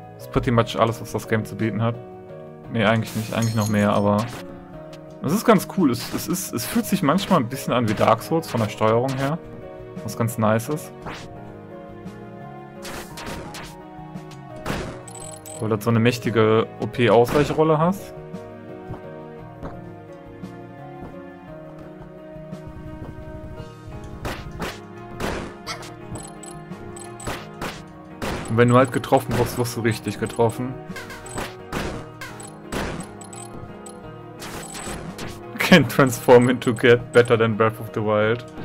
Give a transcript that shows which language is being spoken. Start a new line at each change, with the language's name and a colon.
English: Pretty much
German: alles, was das Game zu bieten hat. Nee, eigentlich nicht. Eigentlich noch mehr, aber... Es ist ganz cool. Es fühlt sich manchmal ein bisschen an wie Dark Souls von der Steuerung her. Was ganz nice ist. Weil du so eine mächtige OP-Ausweichrolle hast. Wenn du halt getroffen wirst, wirst du richtig getroffen.
English: Can transform into cat better than Breath of the Wild.